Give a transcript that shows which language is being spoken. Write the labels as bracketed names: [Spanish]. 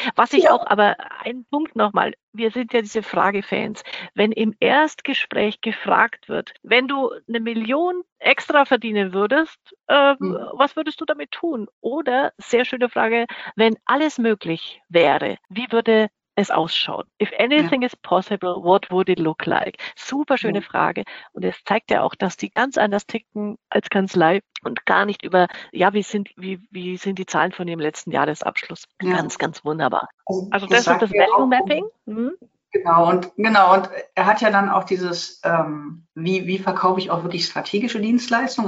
[German] Was ich auch, aber einen Punkt nochmal, wir sind ja diese Fragefans. Wenn im Erstgespräch gefragt wird, wenn du 1 Million extra verdienen würdest, was würdest du damit tun? Oder sehr schöne Frage, wenn alles möglich wäre, wie würde es ausschaut. [English] If anything is possible, what would it look like? [German] Super schöne Frage. Und es zeigt ja auch, dass die ganz anders ticken als Kanzlei und gar nicht über, ja, wie sind die Zahlen von dem letzten Jahresabschluss? Ganz, ganz wunderbar. Also Also das das ist sagt das mir [English] Value [German] auch. [English] Mapping. [German] Genau, und er hat ja dann auch dieses, wie verkaufe ich auch wirklich strategische Dienstleistungen?